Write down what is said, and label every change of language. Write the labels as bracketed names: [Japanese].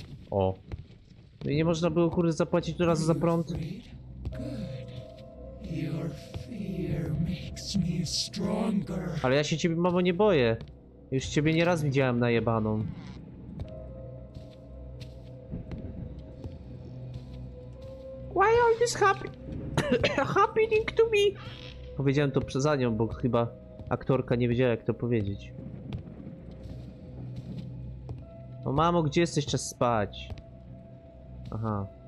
[Polish] O. No i nie można było, kurde, zapłacić od razu za prąd. Ale ja się ciebie, mamo, nie boję. Już ciebie nieraz widziałem najebaną. [English] Why all this happening to me? [Polish] Powiedziałem to przez nią, bo chyba aktorka nie wiedziała, jak to powiedzieć. No mamo, gdzie jesteś? Czas spać. Aha.